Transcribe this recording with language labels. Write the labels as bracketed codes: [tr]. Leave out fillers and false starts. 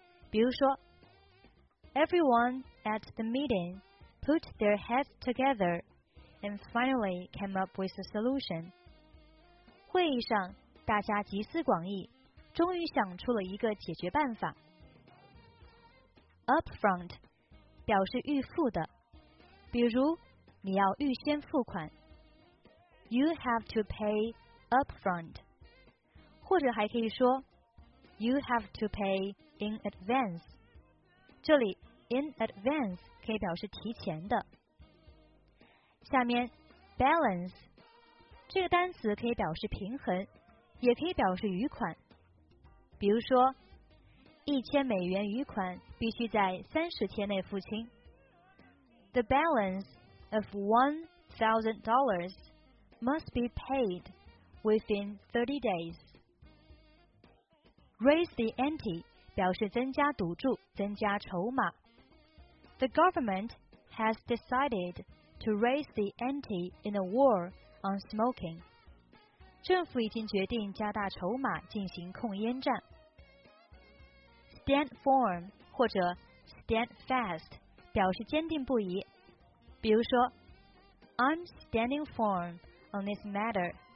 [zh] 比如说 [en] ，everyone at the meeting put their heads together。 And finally came up with a solution. [zh] 会议上，大家集思广益，终于想出了一个解决办法。 Upfront 表示预付的，比如你要预先付款。 [en] You have to pay upfront. [zh] 或者还可以说 [en] You have to pay in advance. [zh] 这里 in advance 可以表示提前的。下面 balance 这个单词可以表示平衡，也可以表示余款。比如说，$1,000余款必须在30天内付清。 [en] The balance of $1,000 must be paid within 30 days. [zh] Raise the ante 表示增加赌注，增加筹码。 [en] The government has decided. To raise the ante in a war on smoking. [zh] 政府已经决定加大筹码进行控烟战。 [en] Stand firm [zh] 或者 [en] stand fast [zh] 表示坚定不移。比如说 [en] I'm standing firm on this matter.